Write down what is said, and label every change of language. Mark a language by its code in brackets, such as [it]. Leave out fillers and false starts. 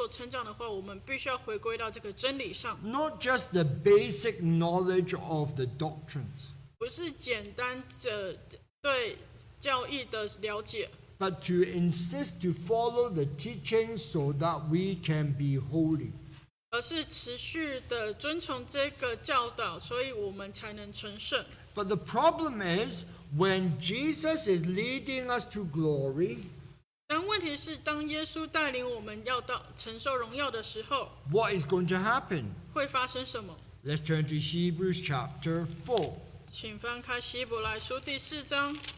[zh] 所以今天如果我们希望教会能有所成长的话，我们必须要回归到这个真理上。 [en] Not just the basic knowledge of the doctrines. [zh] 不是简单的对教义的了解。 [en] But to insist to follow the teachings so that we can be holy. [zh] 而是持续的遵从这个教导，所以我们才能成圣。 [en] But the problem is, when Jesus is leading us to glory, [zh] 但问题是当耶稣带领我们要到承受荣耀的时候， [en] What is going to happen? [zh] 会发生什么？ [en] Let's turn to Hebrews chapter 4. [zh] 请翻开希伯来书第四章。